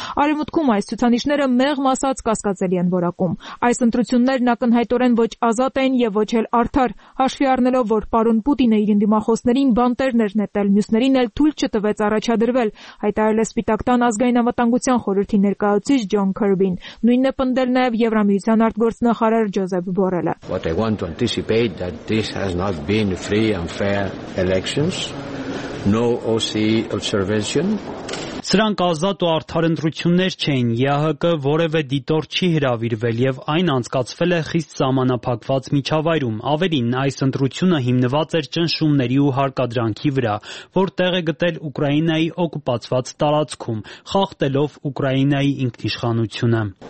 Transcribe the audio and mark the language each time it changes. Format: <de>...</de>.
<hy>Արևմուտքում այս ցուցանիշները մեղմ ասած կասկածելի են որակում։ Այս ընտրություններն ակնհայտորեն ոչ ազատ են եւ ոչ էլ արդար, հաշվի առնելով, որ պարոն Պուտինը իր ընդդիմախոսներին բանտերներ նետել, մյուսներին էլ թույլ չտվեց առաջադրվել, հայտարարել է Սպիտակ տան ազգային անվտանգության խորհրդի ներկայացուցիչ Ջոն Քերբին, նույնն է պնդել նաեւ Եվրամիության արտգործնախարար Ջոզեֆ Բորելը։</hy> <en>What I want to anticipate that this has not been free and fair elections. No OSCE observation.</en> <hy>Սրանք ազատ ու արդար ընտրություններ չէին, ԵԱՀԿ-ը որևէ դիտորդ չի հրավիրվել եւ այն անցկացվել է խիստ սահմանափակված միջավայրում։ Ավելին, այս ընտրությունը հիմնված էր ճնշումների ու հարկադրանքի վրա, որ տեղ է գտել Ուկրաինայի օկուպացված տարածքում, խախտելով Ուկրաինայի ինքնիշխանությունը։</hy>